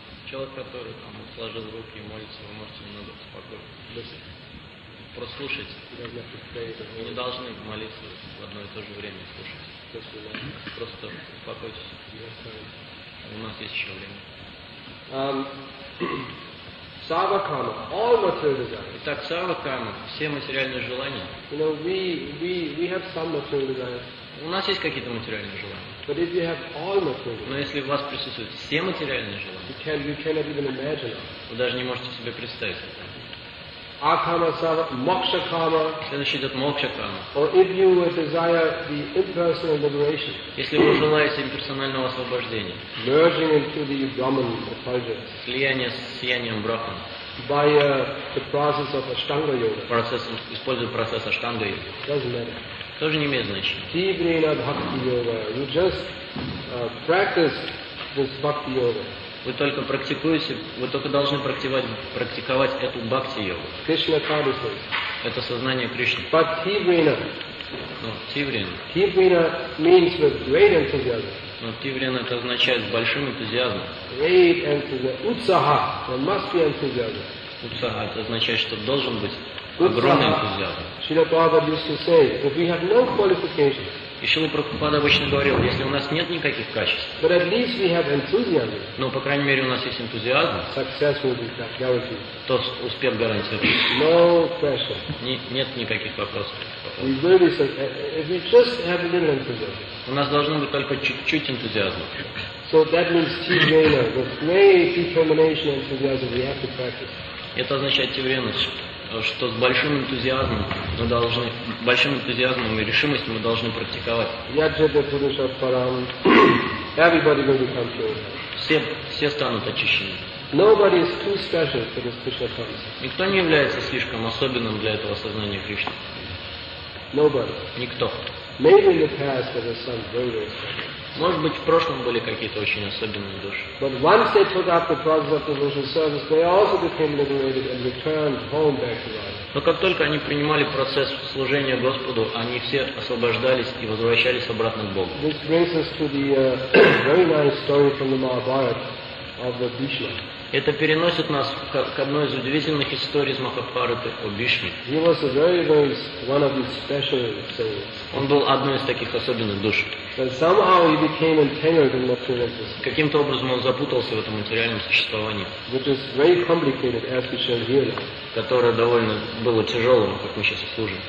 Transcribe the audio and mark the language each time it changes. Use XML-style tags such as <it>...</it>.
<ru>человек, который там сложил руки и молится, вы можете немного успокоиться. Прослушайте. Вы не должны молиться в одно и то же время слушать. Просто успокойтесь. У нас есть еще время.</ru> <en>Сарва-кама, all material desires.</en> <ru>Итак, сарва-кама, все материальные желания.</ru> <en>You know, we have some material desires.</en> <ru>У нас есть какие-то материальные желания.</ru> <en>But if you have all material desires.</en> <ru>Но если в вас присутствуют все материальные желания.</ru> <en>You cannot even imagine.</en> <ru>Вы даже не можете себе представить это.</ru> <sa>Акама сарва, мокша кама.</sa> <ru>Следующий идет мокша кама.</ru> <en>Or if you desire the impersonal liberation.</en> <ru>Если вы желаете имперсонального освобождения.</ru> <en>Merging into the Brahman effulgence.</en> <ru>Слияние с сиянием Брахмана.</ru> <en>By the process of Ashtanga yoga.</en> <ru>Используя процесс Ashtanga yoga.</ru> <en>Doesn't matter.</en> <ru>Тоже не имеет значения.</ru> <en>Deepening of bhakti yoga. You just practice this bhakti yoga.</en> <ru>Вы только практикуете, вы только должны практиковать эту бхакти-йогу.</ru> <en>Krishna consciousness.</en> <ru>Это сознание Кришны.</ru> <en>But tivrena.</en> <ru>Но tivrena.</ru> <en>Tivrena means with great enthusiasm.</en> <ru>Но tivrena это означает с большим энтузиазмом.</ru> <en>Great enthusiasm. Utsaha. There must be enthusiasm.</en> <ru>Utsaha это означает, что должен быть огромный энтузиазм.</ru> <en>Srila Prabhupada used to say, if we have no qualifications.</en> <ru>И Шрила Прабхупада обычно говорил, если у нас нет никаких качеств,</ru> <en>but at least we have enthusiasm,</en> <ru>но, по крайней мере, у нас есть энтузиазм,</ru> <en>success will be guaranteed.</en> <ru>То успех гарантирован.</ru> <en>No pressure.</en> <ru>Нет никаких вопросов.</ru> <en>We just have a little enthusiasm.</en> <ru>У нас должно быть только чуть-чуть энтузиазма.</ru> <en>So that means tivrena, with great determination and enthusiasm, we have to practice.</en> <ru>Это означает tivrena. Что с большим энтузиазмом мы должны, большим энтузиазмом и решимостью мы должны практиковать.</ru> <en>Everybody will become pure.</en> <ru>Все станут очищены.</ru> <en>Nobody is too special for this Krishna consciousness.</en> <ru>Никто не является слишком особенным для этого сознания Кришны.</ru> <en>Nobody.</en> <ru>Никто.</ru> <en>Maybe in the past there was some very special.</en> <ru>Может быть, в прошлом были какие-то очень особенные души.</ru> <en>But once they took up the process of devotional service, they also became liberated and returned home back to life.</en> <ru>Но как только они принимали процесс служения Господу, они все освобождались и возвращались обратно к Богу.</ru> <en>This brings us to the very nice story from the Mahabharata. of the Bhishma.</en> <ru>Это переносит нас к одной из удивительных историй из Махабхараты о Бишме.</ru> <en>He was a very, very one of these special souls.</en> <ru>Он был одной из таких особенных душ.</ru> <en>But somehow he became entangled in material existence.</en> <ru>Каким-то образом он запутался в этом материальном существовании.</ru> <en>Which is very complicated, as we shall hear.</en> <ru>Которое довольно было тяжелым, как мы сейчас служим.</ru>